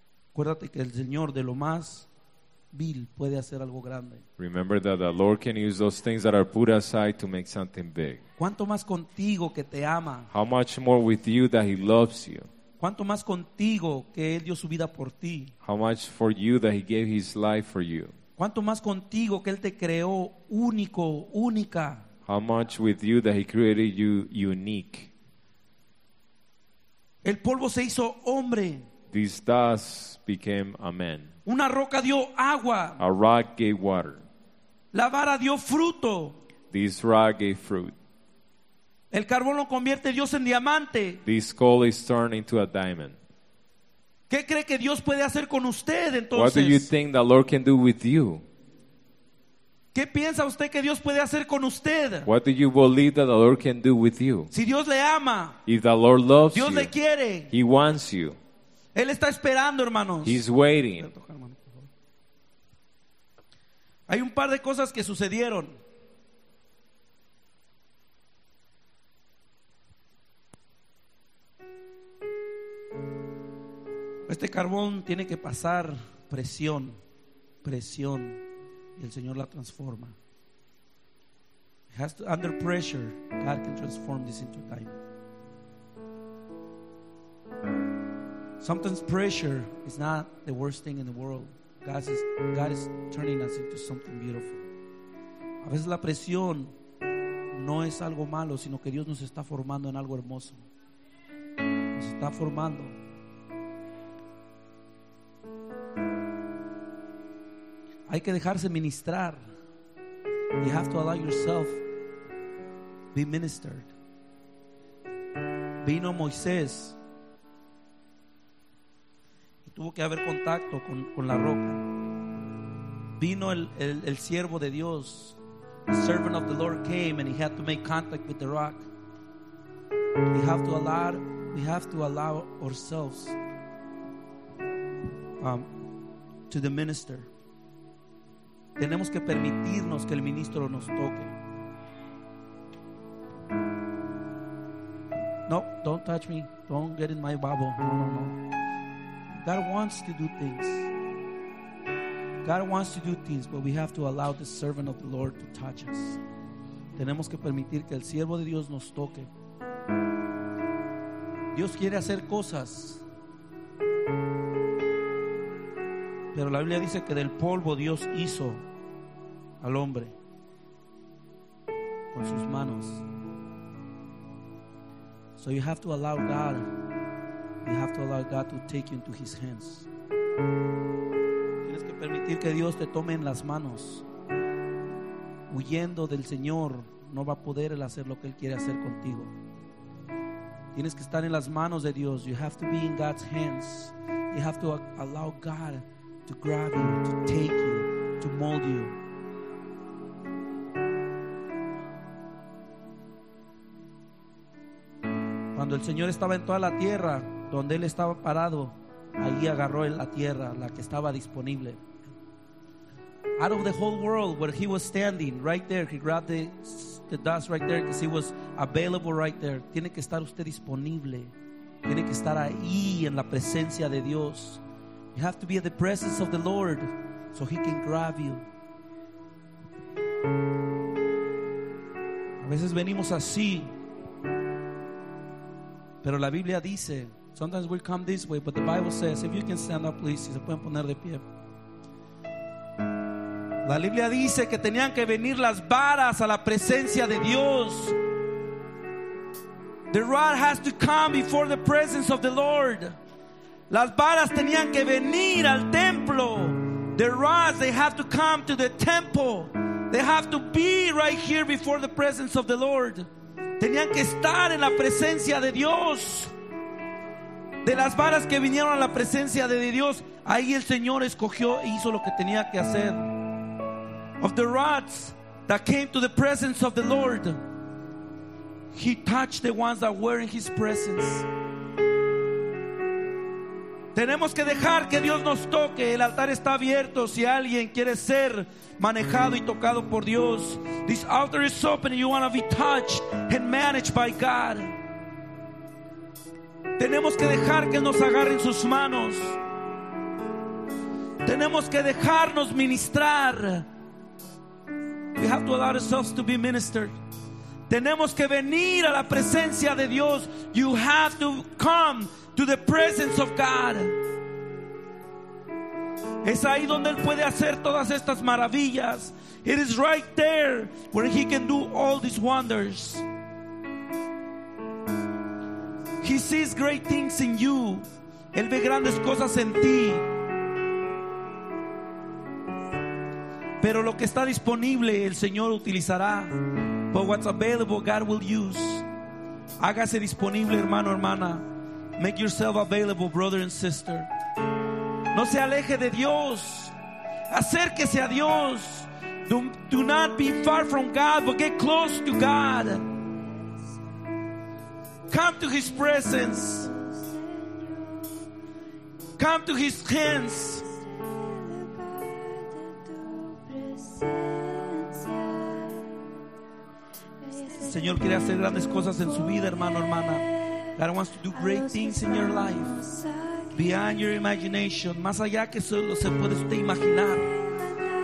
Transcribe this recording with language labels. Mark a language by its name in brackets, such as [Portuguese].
[Spanish] acuérdate que el Señor de lo más vil puede hacer algo grande. [English] Remember that the Lord can use those things that are put aside to make something big. [Spanish] ¿Cuánto más contigo que te ama? [English] How much more with you that He loves you? [Spanish] ¿Cuánto más contigo que Él dio su vida por ti? [English] How much for you that He gave His life for you? [Spanish] ¿Cuánto más contigo que Él te creó único, única? [English] How much with you that He created you unique? [Spanish] El polvo se hizo hombre. [English] This dust became a man. [Spanish] Una roca dio agua. [English] A rock gave water. [Spanish] La vara dio fruto. [English] This rock gave fruit. [Spanish] El carbón lo convierte Dios en diamante. [English] This coal is turned into a diamond. [Spanish] ¿Qué cree que Dios puede hacer con usted entonces? [English] What do you think the Lord can do with you? [Spanish] ¿Qué piensa usted que Dios puede hacer con usted? [English] What do you believe that the Lord can do with you? [Spanish] Si Dios le ama, [English] if the Lord loves [Spanish] Dios [English] you, [Spanish] le quiere, [English] he wants you. [Spanish] Él está esperando, hermanos. [English] He's waiting. [Spanish] Hay un par de cosas que sucedieron. Este carbón tiene que pasar presión, presión, y el Señor la transforma. [English] It has to, under pressure, God can transform this into diamond. Sometimes pressure is not the worst thing in the world. God is turning us into something beautiful. [Spanish] A veces la presión no es algo malo, sino que Dios nos está formando en algo hermoso. Nos está formando. Hay que dejarse ministrar. [English] You have to allow yourself be ministered. [Spanish] Vino Moisés y tuvo que haber contacto con la roca. Vino el siervo de Dios. [English] The servant of the Lord came and he had to make contact with the rock. We have to allow ourselves to the minister. [Spanish] Tenemos que permitirnos que el ministro nos toque. [English] No, don't touch me. Don't get in my bubble. No. God wants to do things. God wants to do things, but we have to allow the servant of the Lord to touch us. [Spanish] Tenemos que permitir que el siervo de Dios nos toque. Dios quiere hacer cosas. Pero la Biblia dice que del polvo Dios hizo al hombre con sus manos. [English] So you have to allow God. You have to allow God to take you into his hands. [Spanish] Tienes que permitir que Dios te tome en las manos. Huyendo del Señor no va a poder él hacer lo que él quiere hacer contigo. Tienes que estar en las manos de Dios. [English] You have to be in God's hands. You have to allow God to grab you, to take you, to mold you. [Spanish] Cuando el Señor estaba en toda la tierra, donde él estaba parado, ahí agarró él la tierra, la que estaba disponible. [English] Out of the whole world where he was standing, right there, he grabbed the dust right there because he was available right there. [Spanish] Tiene que estar usted disponible. Tiene que estar ahí en la presencia de Dios. [English] You have to be in the presence of the Lord so he can grab you. [Spanish] A veces venimos así. Pero la Biblia dice, [English] sometimes we come this way, but the Bible says, if you can stand up please, [Spanish] si se pueden poner de pie. La Biblia dice que tenían que venir las varas a la presencia de Dios. [English] The rod has to come before the presence of the Lord. [Spanish] Las varas tenían que venir al templo. [English] The rods, they have to come to the temple. They have to be right here before the presence of the Lord. [Spanish] Tenían que estar en la presencia de Dios. De las varas que vinieron a la presencia de Dios, ahí el Señor escogió e hizo lo que tenía que hacer. [English] Of the rods that came to the presence of the Lord, he touched the ones that were in his presence. [Spanish] Tenemos que dejar que Dios nos toque. El altar está abierto si alguien quiere ser manejado y tocado por Dios. [English] This altar is open and you want to be touched and managed by God. [Spanish] Tenemos que dejar que nos agarren sus manos. Tenemos que dejarnos ministrar. [English] We have to allow ourselves to be ministered. [Spanish] Tenemos que venir a la presencia de Dios. [English] You have to come to the presence of God. [Spanish] Es ahí donde él puede hacer todas estas maravillas. [English] It is right there where he can do all these wonders. He sees great things in you. [Spanish] Él ve grandes cosas en ti. Pero lo que está disponible, el Señor utilizará. [English] But what's available, God will use. [Spanish] Hágase disponible, hermano, hermana. [English] Make yourself available, brother and sister. [Spanish] No se aleje de Dios. Acérquese a Dios. [English] Do not be far from God, but get close to God. Come to His presence. Come to His hands. [Spanish] Señor quiere hacer grandes cosas en su vida, hermano, hermana. [English] God wants to do great things in your life. Beyond your imagination. [Spanish] Más allá que solo se puede usted imaginar.